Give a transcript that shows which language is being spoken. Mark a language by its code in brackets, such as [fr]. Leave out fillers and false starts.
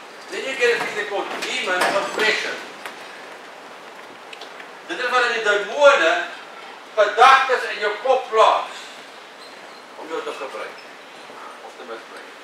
[en] Then you get a thing called demon possession. [af] Dit is wanneer die demone gedagtes in jou kop plaas. Jou te gebruik, of te misbruik.